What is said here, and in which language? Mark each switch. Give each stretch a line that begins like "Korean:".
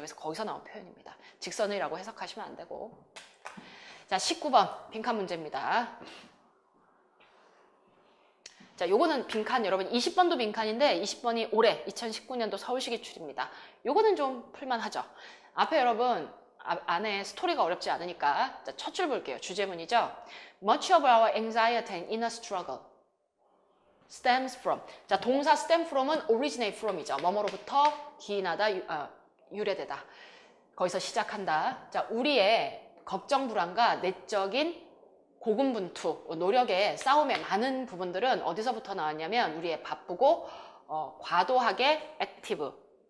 Korean: 그래서 거기서 나온 표현입니다. 직선이라고 해석하시면 안 되고. 자, 19번 빈칸 문제입니다. 자, 요거는 빈칸, 여러분. 20번도 빈칸인데, 20번이 올해, 2019년도 서울시 기출입니다. 요거는 좀 풀만하죠. 앞에 여러분, 안에 스토리가 어렵지 않으니까, 자, 첫줄 볼게요. 주제문이죠.
English: Much of our anxiety and inner struggle stems from.
Korean: 자, 동사 stem from은 originate from이죠. 뭐뭐로부터 기인하다, 유래되다. 거기서 시작한다. 자, 우리의 걱정 불안과 내적인 고군분투, 노력의 싸움의 많은 부분들은 어디서부터 나왔냐면 우리의 바쁘고 과도하게 액티브,